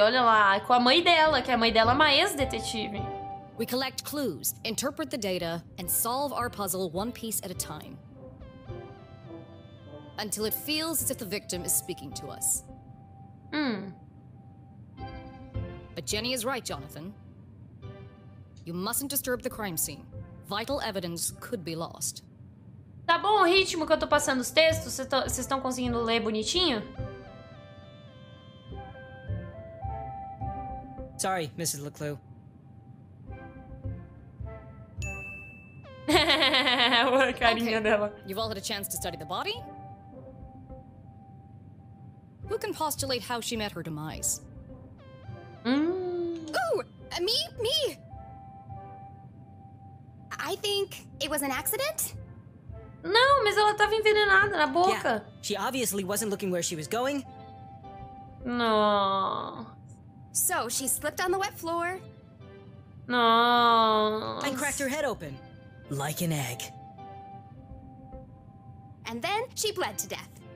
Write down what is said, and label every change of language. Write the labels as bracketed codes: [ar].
[pt] Olha lá, com a mãe dela, que a mãe dela é uma ex-detetive. [en] We collect clues, interpret the data, and solve our puzzle one piece at a time. Until it feels as if the victim is speaking to us. Hmm. But Jenny is right, Jonathan. You mustn't disturb the crime scene. Vital evidence could be lost. [pt] Tá bom o ritmo que eu tô passando os textos? Vocês estão conseguindo ler bonitinho? [en] Sorry, Mrs. LeClue. [pt] A carinha [en] okay. [pt] dela. [en] You've all had a chance to study the body? Who can postulate how she met her demise? Mm. Ooh, me. I think it was an accident? [pt] Não, mas ela tava envenenada na boca. [en] Yeah, she obviously wasn't looking where she was going. No. So, she slipped on the wet floor. No. And cracked her head open. Like an egg. And then she bled to death.